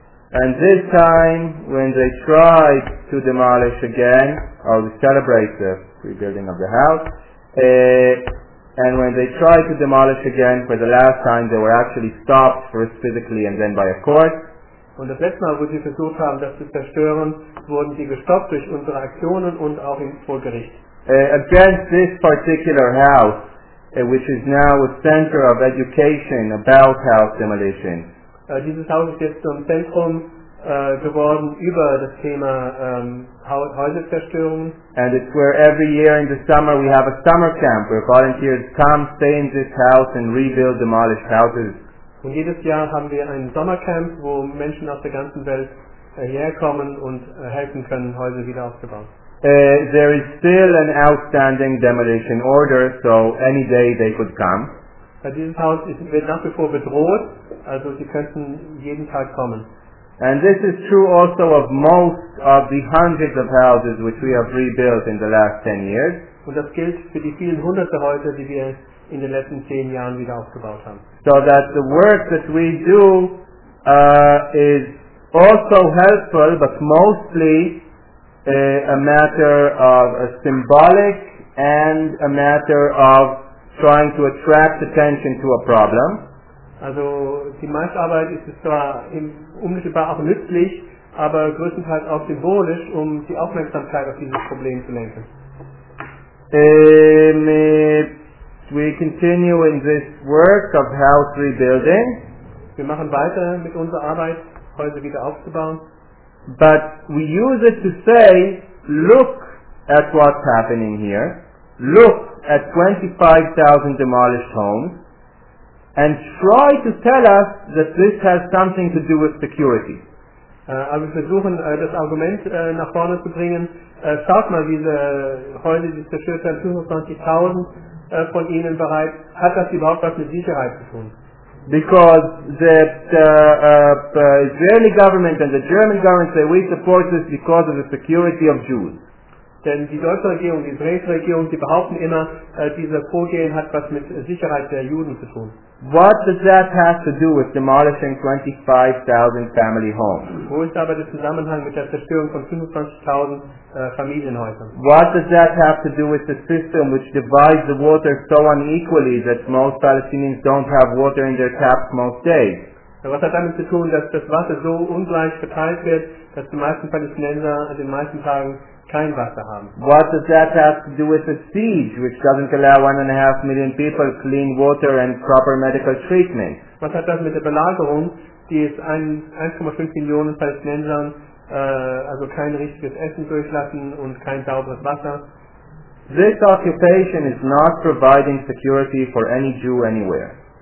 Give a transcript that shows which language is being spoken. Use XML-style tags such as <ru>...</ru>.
<en>And this time, when they tried to demolish again, or to celebrate the rebuilding of the house, and when they tried to demolish again for the last time, they were actually stopped first physically and then by a court.</en> <de>Und das letzte Mal, wo sie versucht haben, das zu zerstören, wurden sie gestoppt durch unsere Aktionen und auch im Vorgericht.</de> <en>Against this particular house, which is now a center of education about house demolition.</en> <de>Dieses Haus ist jetzt zum Zentrum geworden über das Thema Häuserzerstörung.</de> <en>And it's where every year in the summer we have a summer camp where volunteers come, stay in this house and rebuild demolished houses.</en> <de>Und jedes Jahr haben wir ein Sommercamp, wo Menschen aus der ganzen Welt herkommen und helfen können, Häuser wieder aufzubauen.</de> <en>There is still an outstanding demolition order, so any day they could come.</en> <de>Dieses Haus wird nach wie vor bedroht, also sie könnten jeden Tag kommen.</de> <en>And this is true also of most of the hundreds of houses which we have rebuilt in the last 10 years.</en> <de>Und das gilt für die vielen hunderte Häuser, die wir in den letzten 10 Jahren wieder aufgebaut haben.</de> <en>So that the work that we do is also helpful, but mostly a matter of a symbolic and a matter of trying to attract attention to a problem.</en> <de>Also die meiste Arbeit ist zwar unmittelbar auch nützlich, aber größtenteils auch symbolisch, um die Aufmerksamkeit auf dieses Problem zu lenken.</de> <en>We continue in this work of house rebuilding.</en> <de>Wir machen weiter mit unserer Arbeit, Häuser wieder aufzubauen.</de> <en>But we use it to say, look at what's happening here. Look at 25,000 demolished homes and try to tell us that this has something to do with security.</en> <de>Wir versuchen das Argument nach vorne zu bringen. Schaut mal, diese Häuser, die zerstört haben, 25,000 von ihnen bereits. Hat das überhaupt was mit Sicherheit zu tun?</de> <en>Because the Israeli government and the German government say we support this because of the security of Jews.</en> <de>Denn die deutsche Regierung, die israelische Regierung, die behaupten immer, dieses Vorgehen hat was mit Sicherheit der Juden zu tun.</de> <en>What does that have to do with demolishing 25,000 family homes?</en> <de>Wo ist aber der Zusammenhang mit der Zerstörung von 25,000 Familienhäusern?</de> <en>What does that have to do with the system which divides the water so unequally that most Palestinians don't have water in their taps most days?</en> <de>Was hat damit zu tun, dass das Wasser so ungleich verteilt wird, dass die meisten Palästinenser an den meisten Tagen kein Wasser haben?</de> <en>What does that have to do with the siege, which doesn't allow 1.5 million people clean water and proper medical treatment?</en> <de>Was hat das mit der Belagerung, die es 1,5 Millionen Palästinensern also kein richtiges Essen durchlassen und kein sauberes Wasser?</de> <en>This occupation is not providing security for any Jew anywhere.</en>